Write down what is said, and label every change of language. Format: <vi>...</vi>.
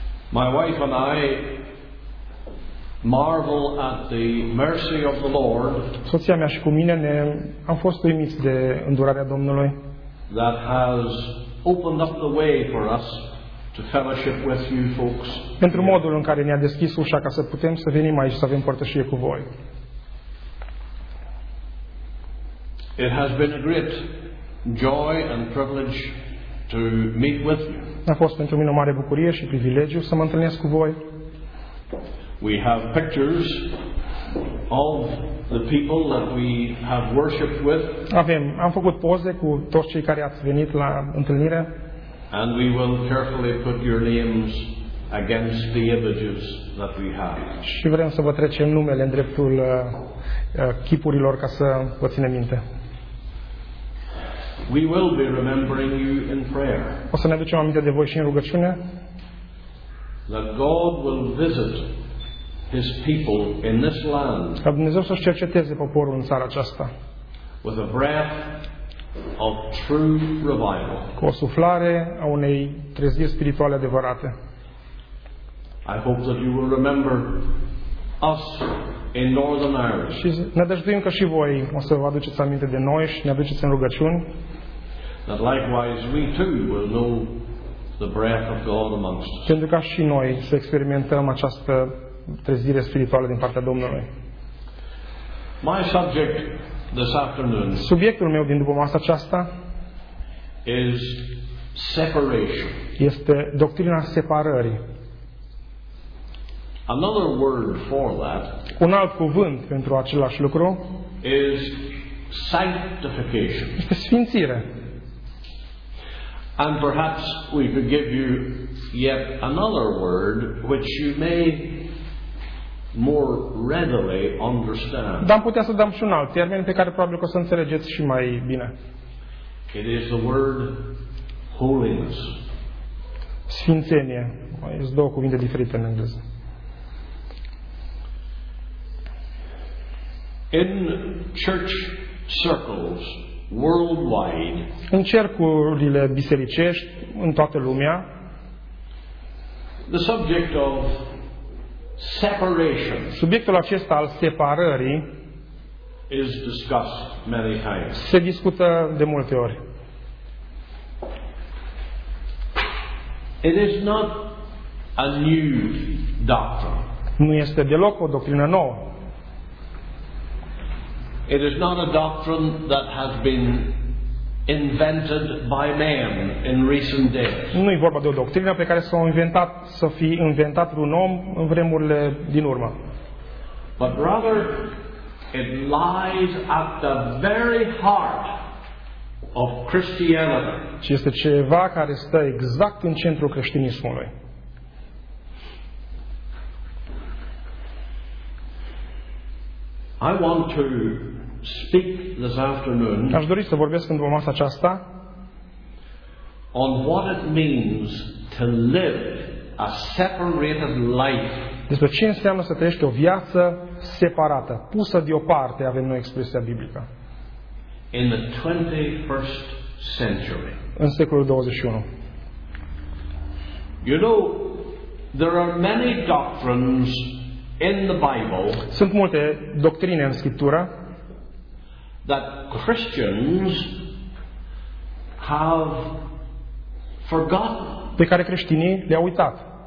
<en>My wife and I marvel at the mercy of the Lord.</en> <ro>Soția mea și cu mine am fost uimiți de îndurarea Domnului.</ro> <en>That has opened up the way for us to fellowship with you folks.</en> <ro>Pentru modul în care ne-a deschis ușa ca să putem să venim aici să avem părtășie cu voi.</ro> <en>It has been a great joy and privilege to meet with you.</en> <ro>A fost pentru mine o mare bucurie și privilegiu să mă întâlnesc cu voi.</ro> <en>We have pictures of the people that we have worshiped with.</en> <ro>Am făcut poze cu toți cei care ați venit la întâlnire.</ro> <en>And we will carefully put your names against the images that we have.</en> <ro>Și vrem să vă trecem numele în dreptul chipurilor ca să vă ținem minte.</ro> <en>We will be remembering you in prayer.</en> <ro>O să ne aducem aminte de voi și în rugăciune.</ro> <en>That God will visit his people in this land.</en> <ro>Ca Dumnezeu să-și cerceteze poporul în țara aceasta.</ro> <en>With a breath of true revival.</en> <ro>Cu o suflare a unei treziri spirituale adevărate.</ro> <en>I hope that you will remember us in Northern Ireland.</en> <ro>Și ne adăjduim că și voi o să vă aduceți aminte de noi și ne aduceți în rugăciuni.</ro> <en>That likewise we too will know the breath of God amongst us.</en> <ro>Pentru ca și noi să experimentăm această trezire spirituală din partea Domnului.</ro> <en>My subject this afternoon.</en> <ro>Subiectul meu din dupămasa aceasta</ro> <en>is separation.</en> <ro>Este doctrina separării.</ro> <en>Another word for that.</en> <ro>Un alt cuvânt pentru același lucru</ro> <en>is sanctification.</en> <ro>Despre sfințire.</ro> <en>And perhaps we could give you yet another word which you may more readily understand.</en> <ro>Dar putea să dăm și un alt termen pe care probabil că o să înțelegeți și mai bine.</ro> <en>It is the word holiness.</en> <ro>Sfințenie. Sunt două cuvinte diferite în engleză.</ro> <en>In church circles worldwide.</en> <ro>În cercurile bisericești în toată lumea.</ro> <en>The subject of separation.</en> <ro>Subiectul acesta al separării</ro> <en>is discussed many times.</en> <ro>Se discută de multe ori.</ro> <en>It is not a new doctrine.</en> <ro>Nu este deloc o doctrină nouă.</ro> <en>It is not a doctrine that has been invented by man in recent days.</en> <ro>Nu e vorba de o doctrină pe care s-a inventat un om în vremurile din urmă.</ro> <en>But rather it lies at the very heart of Christianity.</en> <ro>Ci este ceva care stă exact în centrul creștinismului.</ro> <en>I want to speak this afternoon.</en> <ro>Aș dori să vorbesc în masa aceasta</ro> <en>on what it means to live a separated life.</en> <ro>Despre ce înseamnă să trăiești o viață separată, pusă deoparte, avem noi expresia biblică.</ro> <en>In the 21st century.</en> <ro>În secolul 21.</ro> <en>You know, there are many doctrines in the Bible.</en> <ro>Sunt multe doctrine în Scriptură.</ro> <en>That Christians have forgotten.</en> <ro>Pe care creștinii le-au uitat.</ro>